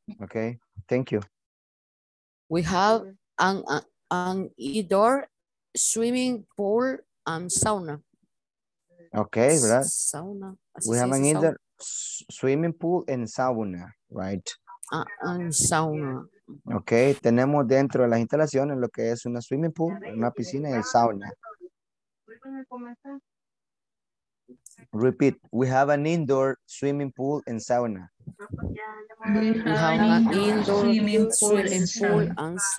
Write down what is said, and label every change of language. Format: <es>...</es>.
<en>Okay. Thank you. We have an indoor swimming pool and sauna. Okay, right? Sauna. We have an indoor swimming pool and sauna, right? And sauna.</en> <es>Okay, tenemos dentro de las instalaciones lo que es una swimming pool, una piscina y sauna.</es> <en>Repeat, we have an indoor swimming pool and sauna. We have an indoor swimming pool and sauna.</en>